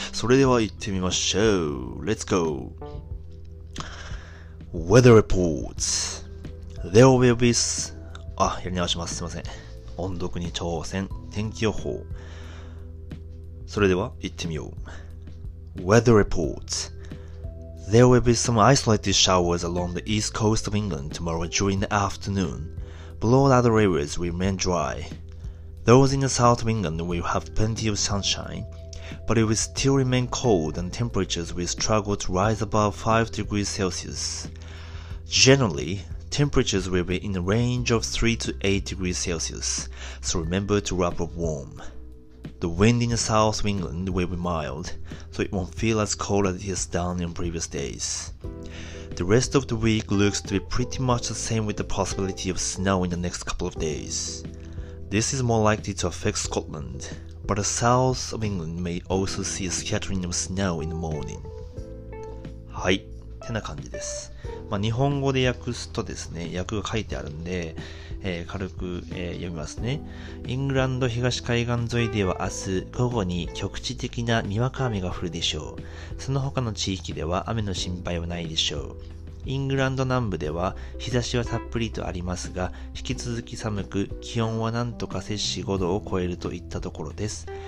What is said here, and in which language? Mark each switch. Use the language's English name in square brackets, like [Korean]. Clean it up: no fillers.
[Japanese] それでは行ってみましょう。 [English] Let's go! Weather reports. There will be s... [Japanese] あ、やり直します。すいません。音読に挑戦。天気予報。それでは行ってみよう。 [English] Weather reports. There will be some isolated showers along the east coast of England tomorrow during the afternoon, but all other areas will remain dry. Those in the south of England will have plenty of sunshine, but it will still remain cold and temperatures will struggle to rise above 5 degrees Celsius. Generally, temperatures will be in the range of 3 to 8 degrees Celsius, so remember to wrap up warm. The wind in the south of England will be mild, so it won't feel as cold as it has done in previous days. The rest of the week looks to be pretty much the same with the possibility of snow in the next couple of days. This is more likely to affect Scotland, but the south of England may also see a scattering of snow in the morning. [Japanese] はい、てな感じです。まあ、日本語で訳すとですね、訳が書いてあるんで、軽く、読みますね。イングランド東海岸沿いでは明日午後に局地的なにわか雨が降るでしょう。その他の地域では雨の心配はないでしょう。イングランド南部では日差しはたっぷりとありますが、引き続き寒く、気温はなんとか摂氏5度を超えるといったところです。